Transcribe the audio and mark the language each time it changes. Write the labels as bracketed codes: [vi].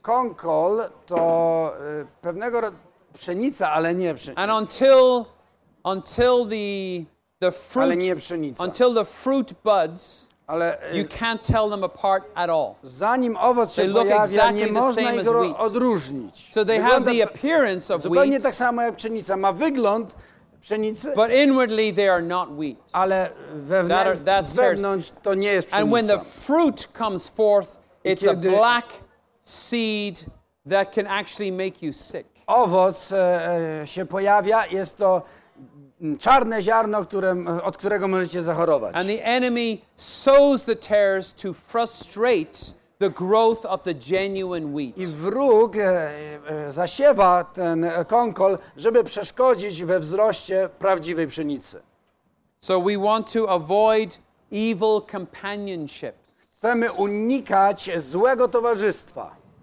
[pl] Konkol to pewnego rodzaju pszenica, ale nie pszenica. [en] And until the fruit, [pl] ale nie pszenica. [en] Until the fruit buds, [pl] ale, [en] you can't tell them apart at all. [pl] Zanim owoc się pojawia, nie można ich odróżnić. [en] So they have the appearance of wheat. [pl] Zupełnie tak samo jak pszenica. Ma wygląd pszenicy. [en] But inwardly they are not wheat. [pl] Ale wewnątrz to nie jest pszenica. [en] And when the fruit comes forth, it's a black seed that can actually make you sick. [pl] Owoc się pojawia, jest to czarne ziarno, od którego możecie zachorować. [en] And the enemy sows the tares to frustrate the growth of the genuine wheat. [pl] I wróg zasiewa ten konkol, żeby przeszkodzić we wzroście prawdziwej pszenicy. [en] So we want to avoid evil companionships. [pl] Chcemy unikać złego towarzystwa.